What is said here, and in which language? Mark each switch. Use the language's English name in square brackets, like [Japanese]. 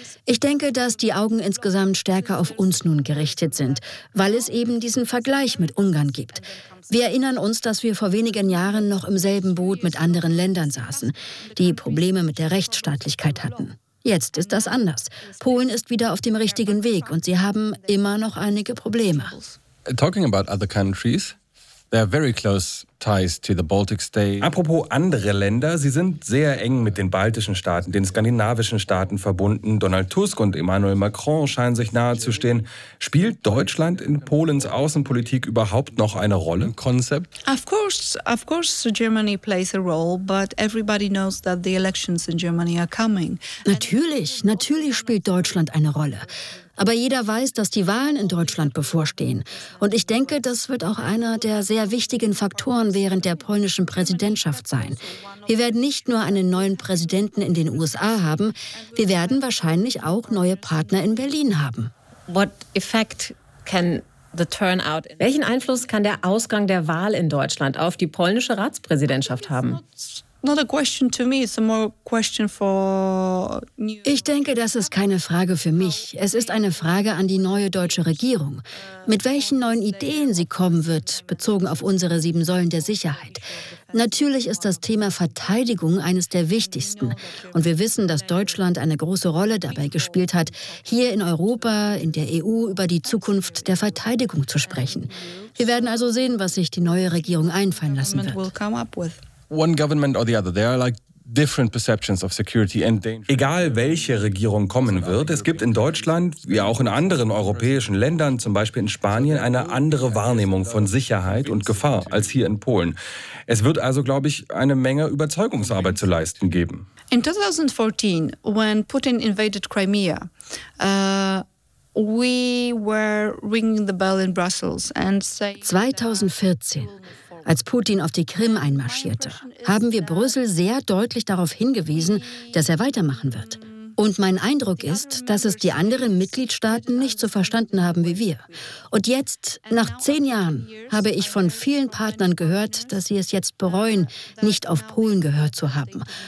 [German] Ich denke, dass die Augen insgesamt stärker auf uns nun gerichtet sind, weil es eben diesen Vergleich mit Ungarn gibt. Wir erinnern uns, dass wir vor wenigen Jahren noch im selben Boot mit anderen Ländern saßen, die Probleme mit der Rechtsstaatlichkeit hatten. Jetzt ist das anders. Polen ist wieder auf dem richtigen Weg und sie haben immer noch einige Probleme. [English] Talking about other countries, they are very close ties to the Baltic States. [German] Apropos andere Länder, sie sind sehr eng mit den baltischen Staaten, den skandinavischen Staaten verbunden. Donald Tusk und Emmanuel Macron scheinen sich nahe zu stehen. Spielt Deutschland in Polens Außenpolitik überhaupt noch eine Rolle? [English] Concept? Of course Germany plays a role, but everybody knows that the elections in Germany are coming. [German] Natürlich spielt Deutschland eine Rolle. Aber jeder weiß, dass die Wahlen in Deutschland bevorstehen. Und ich denke, das wird auch einer der sehr wichtigen Faktoren während der polnischen Präsidentschaft sein. Wir werden nicht nur einen neuen Präsidenten in den USA haben, wir werden wahrscheinlich auch neue Partner in Berlin haben. Welchen Einfluss kann der Ausgang der Wahl in Deutschland auf die polnische Ratspräsidentschaft haben? [English] not a question to me, it's a more question for new. [German] Ich denke, das ist keine Frage für mich. Es ist eine Frage an die neue deutsche Regierung. Mit welchen neuen Ideen sie kommen wird, bezogen auf unsere 7 Säulen der Sicherheit. Natürlich ist das Thema Verteidigung eines der wichtigsten. Und wir wissen, dass Deutschland eine große Rolle dabei gespielt hat, hier in Europa, in der EU, über die Zukunft der Verteidigung zu sprechen. Wir werden also sehen, was sich die neue Regierung einfallen lassen wird. [English] One government or the other, they are like different perceptions of security and danger. [German] Egal welche Regierung kommen wird, es gibt in Deutschland, wie auch in anderen europäischen Ländern, zum Beispiel in Spanien, eine andere Wahrnehmung von Sicherheit und Gefahr als hier in Polen. Es wird also, glaube ich, eine Menge Überzeugungsarbeit zu leisten geben. [English] In 2014, when Putin invaded Crimea, we were ringing the bell in Brussels and saying. 2014. [German] Als Putin auf die Krim einmarschierte, haben wir Brüssel sehr deutlich darauf hingewiesen, dass er weitermachen wird. Und mein Eindruck ist, dass es die anderen Mitgliedstaaten nicht so verstanden haben wie wir. Und jetzt, nach 10 Jahren, habe ich von vielen Partnern gehört, dass sie es jetzt bereuen, nicht auf Polen gehört zu haben.